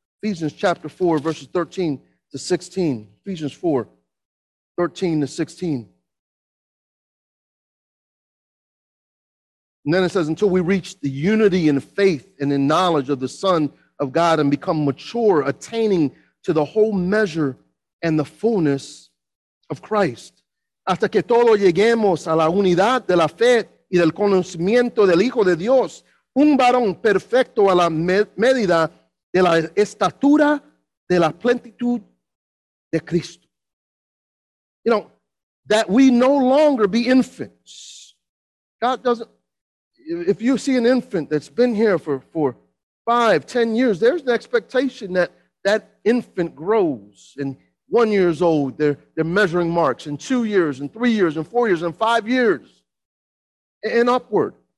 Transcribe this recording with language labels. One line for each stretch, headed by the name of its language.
English: Ephesians chapter 4, verses 13 to 16. Ephesians 4, 13 to 16. And then it says, until we reach the unity in faith and in knowledge of the Son of God and become mature, attaining to the whole measure and the fullness of Christ.
Spanish: Hasta que todos lleguemos a la unidad de la fe y del conocimiento del Hijo de Dios, un varón perfecto a la medida de la estatura de la plenitud de Cristo.
English: You know, that we no longer be infants. God doesn't, if you see an infant that's been here for 5, 10 years, there's an expectation that that infant grows. And 1 year old, they're measuring marks. And 2 years, and 3 years, and 4 years, and 5 years, and upward.